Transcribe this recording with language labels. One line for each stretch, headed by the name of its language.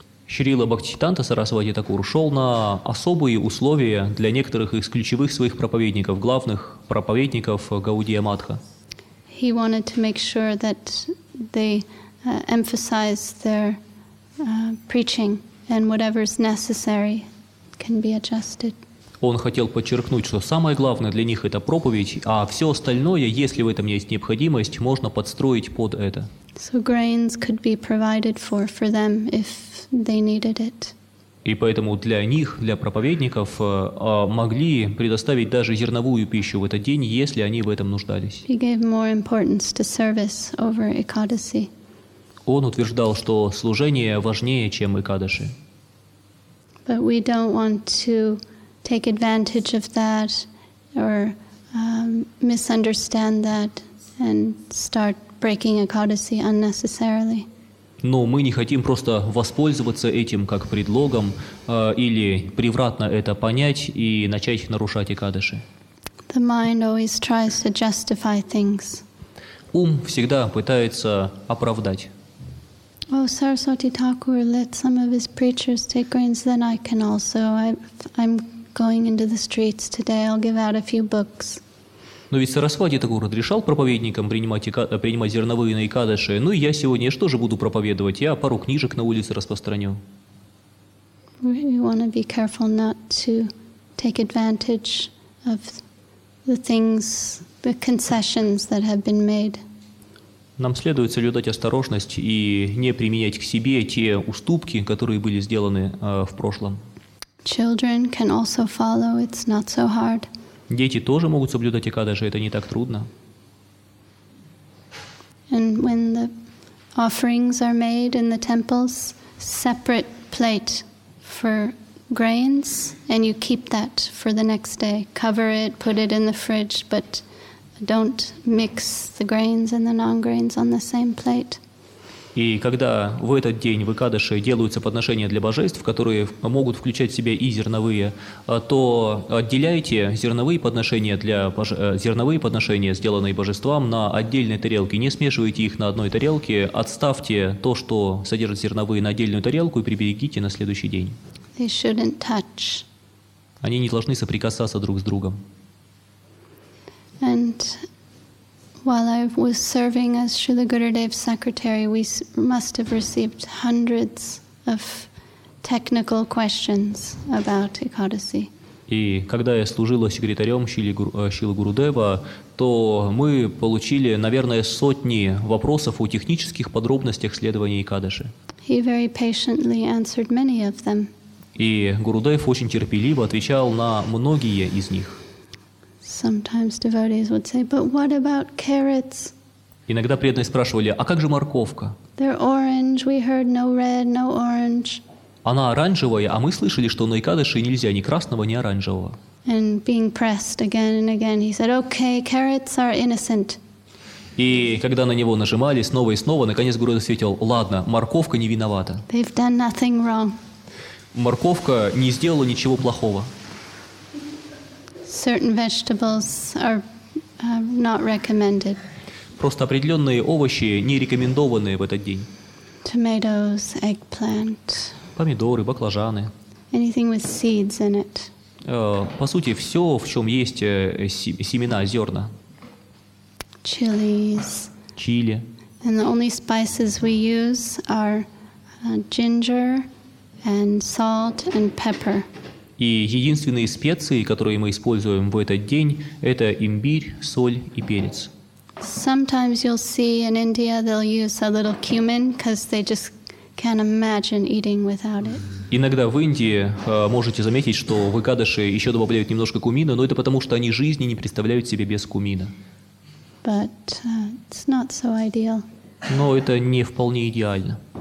Russian: Шрила Бхактисиддханта Сарасвати Такур шел на особые условия для некоторых из ключевых своих проповедников, главных проповедников Гаудия Матха.
English: He wanted to make sure that they emphasize their preaching and whatever is necessary can be adjusted.
Russian: Он хотел подчеркнуть, что самое главное для них это проповедь, а все остальное, если в этом есть необходимость, можно подстроить под это.
English: So grains could be provided for them if they needed it.
Russian: И поэтому для них, для проповедников, могли предоставить даже зерновую пищу в этот день, если они в этом нуждались.
English: He gave more importance to service over Ekadasi.
Russian: Он утверждал, что служение важнее, чем Экадаши.
English: But we don't want to take advantage of that or misunderstand that and start breaking Ekadasi unnecessarily.
Russian: Но мы не хотим просто воспользоваться этим как предлогом или превратно это понять и начать нарушать Экадаши.
English: The mind always tries to justify things.
Russian: Ум всегда пытается оправдать.
English: Oh, Saraswati Thakur let some of his preachers take grains, then I can also. I'm going into the streets today, I'll give out a few books.
Russian: Но ведь Сарасвати Такур разрешал проповедникам принимать зерновые на Экадаши. Ну и я сегодня что же буду проповедовать? Я пару книжек на улице распространю.
English: We want to be careful not to take advantage of the things, the concessions that have been made.
Russian: Нам следует соблюдать осторожность и не применять к себе те уступки, которые были сделаны в прошлом.
English: Children can also follow, it's not so hard.
Russian: Дети тоже могут соблюдать Экадаши, это не так трудно.
English: And when the offerings are made in the temples, separate plate for grains, and you keep that for the next day. Cover it, put it in the fridge, but don't mix the grains and the non-grains on the same plate.
Russian: И когда в этот день в Экадаши делаются подношения для божеств, которые могут включать в себя и зерновые, то отделяйте зерновые подношения, зерновые подношения, сделанные божествам, на отдельной тарелке. Не смешивайте их на одной тарелке. Отставьте то, что содержит зерновые, на отдельную тарелку и приберегите на следующий день.
English: They shouldn't touch.
Russian: Они не должны соприкасаться друг с другом.
English: And while I was serving as Srila Gurudev's secretary, we must have received hundreds of technical questions about Ekadasi.
Russian: И когда я служила секретарем Шрилы Гурудева, то мы получили, наверное, сотни вопросов о технических подробностях следования Экадаши.
English: He very patiently answered many of them.
Russian: И Гурудев очень терпеливо отвечал на многие из них.
English: Sometimes devotees would say, "But what about carrots?"
Russian: Иногда преданные спрашивали: "А как же морковка?"
English: They're orange. We heard no red, no orange.
Russian: Она оранжевая, а мы слышали, что на Экадаши нельзя ни красного, ни оранжевого.
English: And being pressed again and again, he said, "Okay, carrots are innocent."
Russian: И когда на него нажимали снова и снова, наконец Гуру ответил: "Ладно, морковка не виновата."
English: They've done nothing wrong.
Russian: Морковка не сделала ничего плохого.
English: Certain vegetables are not recommended.
Russian: Просто определенные овощи не рекомендованы в этот день.
English: Tomatoes, eggplant.
Russian: Помидоры, баклажаны.
English: Anything with seeds in it.
Russian: По сути, все, в чем есть семена, зерна.
English: Chilies.
Russian: Чили.
English: And the only spices we use are ginger and salt and pepper.
Russian: И единственные специи, которые мы используем в этот день, это имбирь, соль и перец.
English: Sometimes you'll see in India they'll use a little cumin because they just can't imagine eating without it.
Russian: Иногда в Индии можете заметить, что в Экадаши еще добавляют немножко кумина, но это потому, что они жизни не представляют себе без кумина.
English: But it's not so ideal.
Russian: Но это не вполне идеально.